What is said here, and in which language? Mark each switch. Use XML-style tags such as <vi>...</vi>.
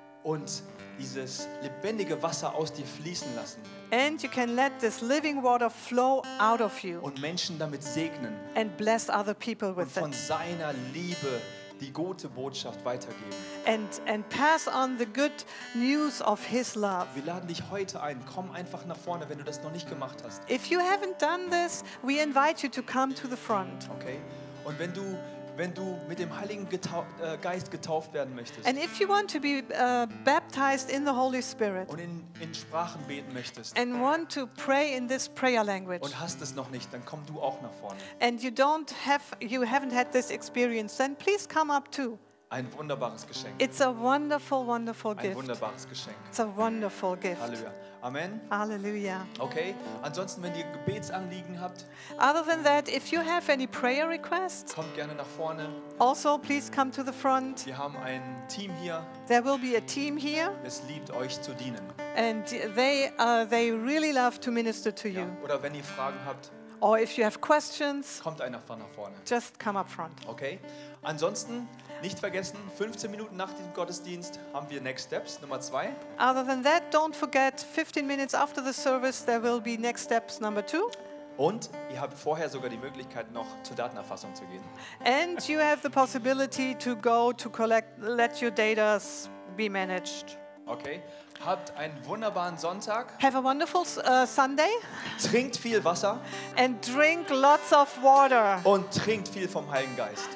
<de>Und dieses lebendige Wasser aus dir fließen lassen.</de> <en>And you can let this living water flow out of you.</en> <de>Und Menschen damit segnen.</de> <en>And bless other people with it.</en> <de>Und von seiner Liebe die gute Botschaft weitergeben.</de> <en>And pass on the good news of his love.</en> <de>Wir laden dich heute ein. Komm einfach nach vorne, wenn du das noch nicht gemacht hast.</de> <en>If you haven't done this, we invite you to come to the front. Okay.</en> <de>Und wenn du mit dem Heiligen Geist getauft werden möchtest.</de> <en>And if you want to be baptized in the Holy Spirit.</en> <de>Und in Sprachen beten möchtest.</de> <en>And want to pray in this prayer language.</en> <de>Und hast es noch nicht, dann komm du auch nach vorne.</de> <en>And you haven't had this experience, then please come up too.</en> <de>Ein wunderbares Geschenk.</de> <en>It's a wonderful, wonderful gift.</en> <de>Ein wunderbares Geschenk.</de> <en>It's a wonderful gift.</en> <de>Halleluja. Amen. Halleluja. Okay. Ansonsten, wenn ihr Gebetsanliegen habt.</de> <en>Other than that, if you have any prayer requests.</en> <de>Kommt gerne nach vorne.</de> <en>Also, please come to the front.</en> <de>Wir haben ein Team hier.</de> <en>There will be a team here.</en> <de>Es liebt euch zu dienen.</de> <en>And they really love to minister to you.</en> <de>Oder wenn ihr Fragen habt.</de> <en>Or if you have questions.</en> <de>Kommt einer von nach vorne.</de> <en>Just come up front. Okay.</en> <de>Ansonsten, nicht vergessen, 15 Minuten nach dem Gottesdienst haben wir Next Steps, Nummer 2.</de> <en>Other than that, don't forget, 15 minutes after the service, there will be Next Steps, Number 2.</en> <de>Und ihr habt vorher sogar die Möglichkeit, noch zur Datenerfassung zu gehen.</de> <en>And you have the possibility to go to collect, let your data be managed.</en> <de>Okay. Habt einen wunderbaren Sonntag.</de> <en>Have a wonderful Sunday.</en> <de>Trinkt viel Wasser.</de> <en>And drink lots of water.</en> <de>Und trinkt viel vom Heiligen Geist.</de>